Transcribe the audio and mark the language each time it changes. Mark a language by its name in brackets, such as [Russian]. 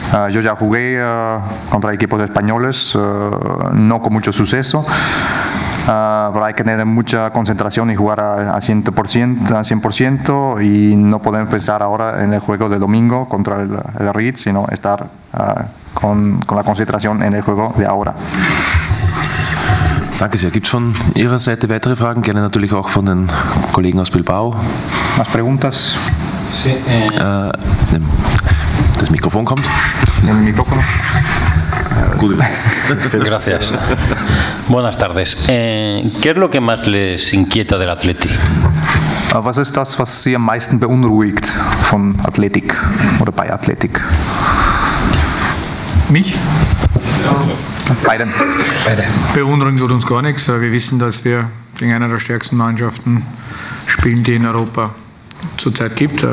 [Spanish] Yo ya jugué contra equipos españoles, no con mucho suceso. Pero hay que tener mucha concentración y jugar a 100% y no podemos pensar ahora en el juego de domingo contra el Ritz, sino estar con la concentración en el juego de ahora. [German] Danke sehr. Gibt es von Ihrer Seite weitere Fragen? Gerne natürlich auch von den Kollegen aus Bilbao. [Spanish] Más preguntas? [German] Sí, das Mikrofon kommt. [Spanish] El micrófono. Gracias. Buenas tardes. ¿Qué es lo que más les inquieta del Athletic? [German] Was ist das, was Sie am meisten beunruhigt von Athletic oder bei Athletic? Mich? Beide. Beunruhigen tut uns gar nichts. Wir wissen, dass wir gegen eine der stärksten Mannschaften spielen, die in Europa zurzeit gibt.